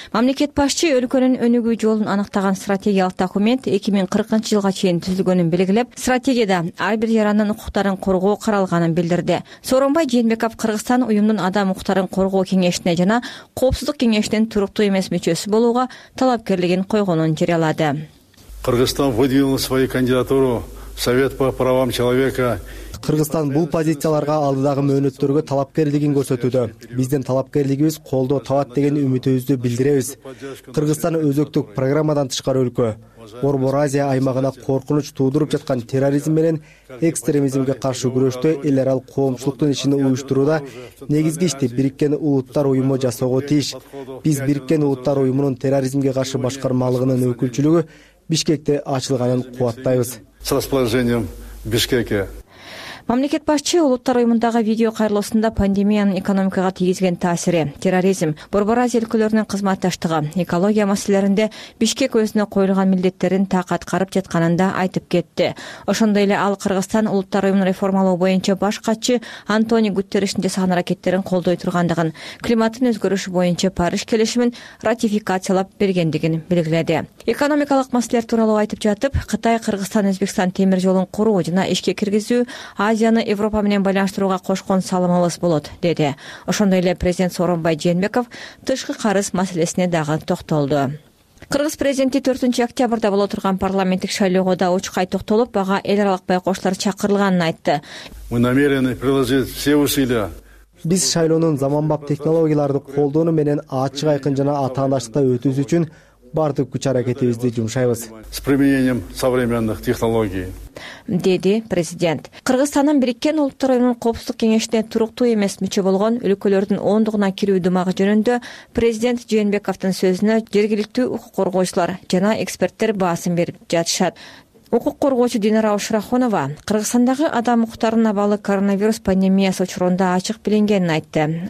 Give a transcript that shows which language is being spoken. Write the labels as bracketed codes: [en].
[ky] Мамлекет башчы өлкөнүн өнүгүү жолун аныктаган стратегиялык документ 2040 жылга чейин түзүлгөнүн белгилеп, стратегияда ар бир жаранын укуктарын коргоо каралганын билдирди. Сооронбай Жээнбеков Кыргызстан уюмунун адам укуктарын коргоо кеңешине жана коопсуздук кеңешинин туруктуу эмес мүчөсү болууга талапкерлигин койгонун жарыялады. [ru] Кыргызстан выдвинул свою кандидатуру в Совет по правам человека. [ky] Кыргызстан бул позицияларга алдыдагы мөөнөттөргө талапкерлигин көрсөтүүдө. Биздин талапкерлигибиз колдоо табат деген үмүтүбүздү билдиребиз. Кыргызстан өзөктүк программадан тышкары өлкө. Борбор Азия аймагына коркунуч туудуруп жаткан терроризм менен экстремизмге каршы күрөштө эл аралык коомчулуктун ишин уюштурууда негизги ишти Бириккен Улуттар Уюму жасоого тийиш. Биз Бириккен Улуттар Уюмунун терроризмге каршы башкармалыгынын өкүлчүлүгү Бишкекте ачылганын кубаттайбыз. [ru] С расположением в Бишкеке. [ky] Мамлекет башчы Улуттар Уюмундагы видео кайрылуусунда пандемиянын экономикага тийгизген таасири, терроризм, Борбор Азия өлкөлөрүнүн кызматташтыгы, экология маселелеринде Бишкек өзүнө коюлган милдеттерин так аткарып жатканын да айтып кетти. Ошондой эле ал Кыргызстан Улуттар Уюмун реформалоо боюнча баш катчы Антони Гутерриштин жасаган аракеттерин колдой тургандыгын, климаттын өзгөрүшү боюнча Париж келишимин ратификациялап бергендигин белгиледи. Экономикалык маселелер тууралуу айтып жатып, Кытай Кыргызстан Өзбекстан темир жолун куруу жана ишке киргизүү Азияны Европа менен байланыштырууга кошкон салымыбыз болот, деди. Ошондой эле президент Сооронбай Жээнбеков тышкы карыз маселесине дагы токтолду. Кыргыз президенти 4 октябрда боло турган парламенттик шайлоого да учкай токтолуп, ага эл аралык байкоочулар чакырылганын айтты. [ru] Мы намерены приложить все усилия. [ky] Биз шайлоонун заманбап технологияларды колдонуу менен ачык, айкын жана атаандаштыкта өтүүсү үчүн бардык күч аракетибизди жумшайбыз. [ru] С применением современных технологий. [ky] Деди президент. Кыргызстандын Бириккен Улуттар Уюмунун коопсуздук кеңешине туруктуу эмес мүчө болгон өлкөлөрдүн ондугуна кирүү дымагы жөнүндө президент Жээнбековдун сөзүнө жергиликтүү укук коргоочулар жана эксперттер баасын берип жатышат. Укук коргоочу Динара Ушрахонова Кыргызстандагы адам укуктарынын абалы коронавирус пандемиясы учурунда ачык билингенин айтты.